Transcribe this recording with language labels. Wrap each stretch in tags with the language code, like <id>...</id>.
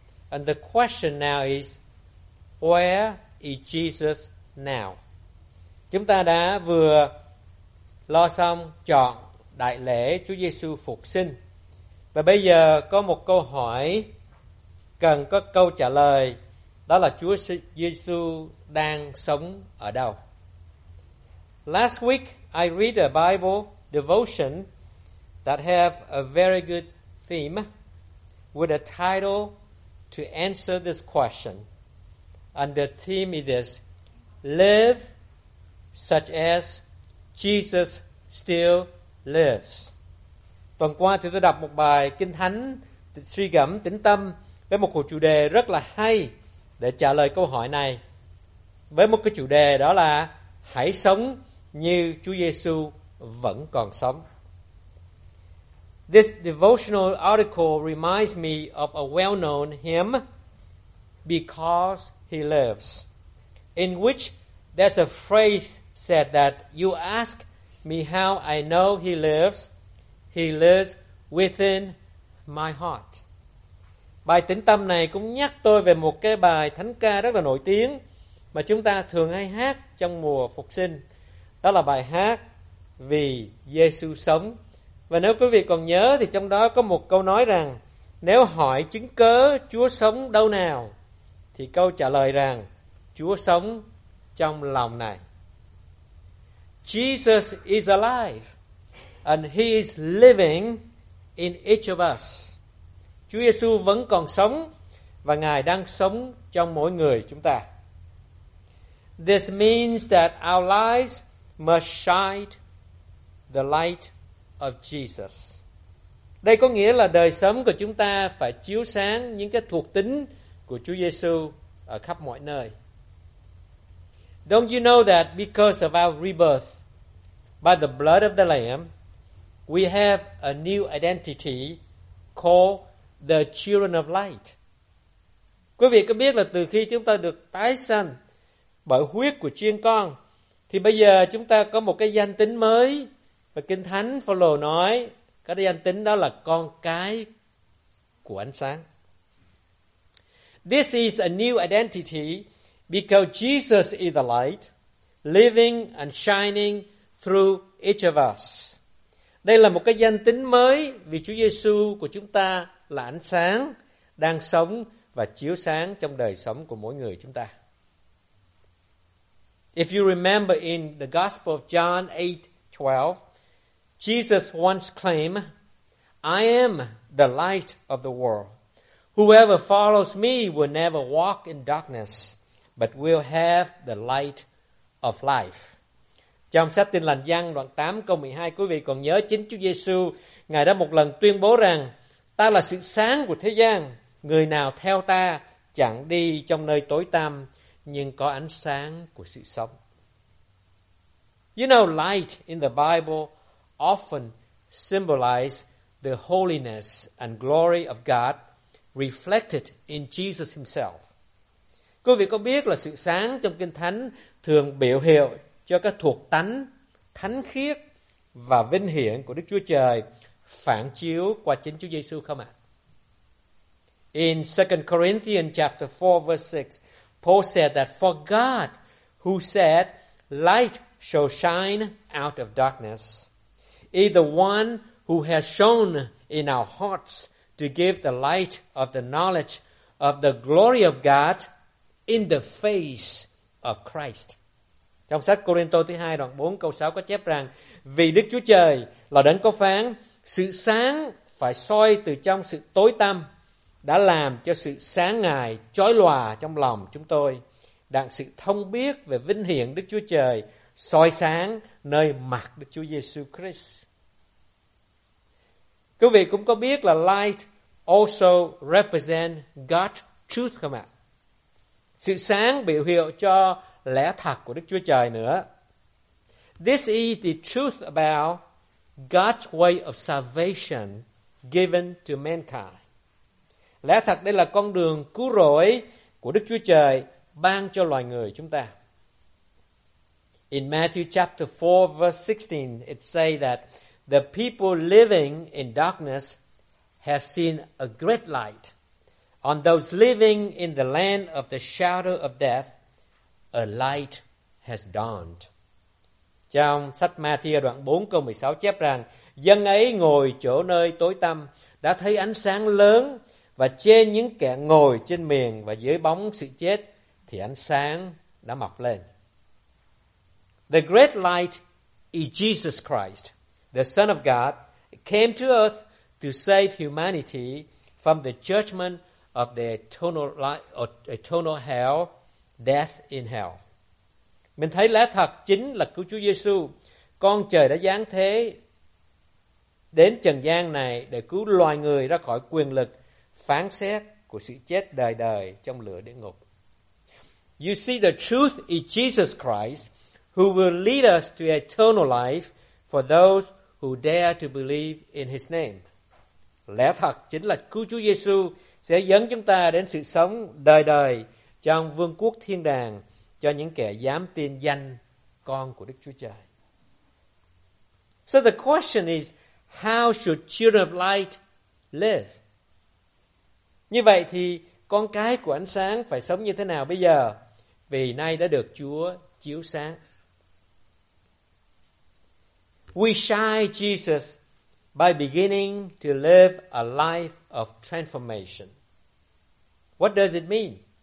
<en>And the question now is, where is Jesus now?</en> <vi>Chúng ta đã vừa lo xong trọn đại lễ Chúa Giêsu phục sinh. Và bây giờ có một câu hỏi cần có câu trả lời, đó là Chúa Giêsu đang sống ở đâu?</vi> <en>Last week I read a Bible devotion that have a very good theme with a title to answer this question. And the theme is this: live such as Jesus still lives.</en> <vi>Tuần qua thì tôi đọc một bài kinh thánh suy gẫm tĩnh tâm với một chủ đề rất là hay để trả lời câu hỏi này, với một cái chủ đề đó là hãy sống như Chúa Giêsu vẫn còn sống.</vi> <en>This devotional article reminds me of a well-known hymn, Because He Lives, in which there's a phrase said that you ask me how I know He lives. He lives within my heart.</en> <vi>Bài tĩnh tâm này cũng nhắc tôi về một cái bài thánh ca rất là nổi tiếng mà chúng ta thường hay hát trong mùa phục sinh. Đó là bài hát Vì Giêsu Sống. Và nếu quý vị còn nhớ thì trong đó có một câu nói rằng: nếu hỏi chứng cớ Chúa sống đâu nào, thì câu trả lời rằng: Chúa sống trong lòng này.</vi> <en>Jesus is alive, and He is living in each of us.</en> <vi>Chúa Giêsu vẫn còn sống, và Ngài đang sống trong mỗi người chúng ta.</vi> <en>This means that our lives must shine the light of Jesus.</en> <vi>Đây có nghĩa là đời sống của chúng ta phải chiếu sáng những cái thuộc tính của Chúa Giêsu ở khắp mọi nơi.</vi> <en>Don't you know that because of our rebirth by the blood of the Lamb, we have a new identity called the children of light.</en> <vi>Quý vị có biết là từ khi chúng ta được tái sanh bởi huyết của chiên con, thì bây giờ chúng ta có một cái danh tính mới. Và Kinh Thánh Phaolô nói cái danh tính đó là con cái của ánh sáng.</vi> <en>This is a new identity because Jesus is the light, living and shining through each of us.</en> <vi>Đây là một cái danh tính mới vì Chúa Giêsu của chúng ta là ánh sáng, đang sống và chiếu sáng trong đời sống của mỗi người chúng ta.</vi> <en>If you remember in the Gospel of John 8:12, Jesus once claimed, "I am the light of the world. Whoever follows me will never walk in darkness, but will have the light of life."</en> <vi>Trong sách Tin Lành Giăng đoạn 8 câu 12, quý vị còn nhớ chính Chúa Giêsu, Ngài đã một lần tuyên bố rằng, "Ta là sự sáng của thế gian, người nào theo ta chẳng đi trong nơi tối tăm, nhưng có ánh sáng của sự sống."</vi> <en>You know, light in the Bible often symbolizes the holiness and glory of God reflected in Jesus himself.</en> <vi>Quý vị có biết là sự sáng trong Kinh Thánh thường biểu hiệu cho các thuộc tánh, thánh khiết và vinh hiển của Đức Chúa Trời phản chiếu qua chính Chúa Giêsu không ạ?</vi> <en>In 2 Corinthians chapter 4 verse 6, Paul said that for God, who said, "Light shall shine out of darkness," is the one who has shone in our hearts to give the light of the knowledge of the glory of God in the face of Christ.</en> <vi>Trong sách Corinto thứ 2 đoạn 4 câu 6 có chép rằng, vì Đức Chúa Trời là đấng có phán, sự sáng phải soi từ trong sự tối tăm, đã làm cho sự sáng Ngài chói lòa trong lòng chúng tôi, đặng sự thông biết về vinh hiển Đức Chúa Trời soi sáng nơi mặt Đức Chúa Giêsu Christ. Quý vị cũng có biết là</vi> <en>light also represents God's truth</en> <vi>không ạ? Sự sáng biểu hiệu cho lẽ thật của Đức Chúa Trời nữa.</vi> <en>This is the truth about God's way of salvation given to mankind.</en> <vi>Lẽ thật đây là con đường cứu rỗi của Đức Chúa Trời ban cho loài người chúng ta.</vi> <en>In Matthew chapter 4 verse 16, it says that the people living in darkness have seen a great light. On those living in the land of the shadow of death, a light has dawned.</en> <vi>Trong sách Matthew đoạn 4 câu 16 chép rằng, dân ấy ngồi chỗ nơi tối tăm đã thấy ánh sáng lớn, và trên những kẻ ngồi trên miền và dưới bóng sự chết thì ánh sáng đã mọc lên.</vi> <en>The great light is Jesus Christ, the Son of God, came to earth to save humanity from the judgment of the eternal hell, death in hell.</en> <vi>Mình thấy lẽ thật chính là Cứu Chúa Giêsu, con trời đã giáng thế đến trần gian này để cứu loài người ra khỏi quyền lực phán xét của sự chết đời đời trong lửa địa ngục.</vi> <en>You see, the truth is Jesus Christ, who will lead us to eternal life for those who dare to believe in his name.</en> <vi>Lẽ thật chính là Cứu Chúa Giêsu sẽ dẫn chúng ta đến sự sống đời đời trong vương quốc thiên đàng cho những kẻ dám tin danh con của Đức Chúa Trời.</vi> <en>So the question is, how should children of light live?</en> <vi>Như vậy thì con cái của ánh sáng phải sống như thế nào bây giờ? Vì nay đã được Chúa chiếu sáng.</vi> <en>We shine Jesus by beginning to live a life of transformation. What does it mean?</en>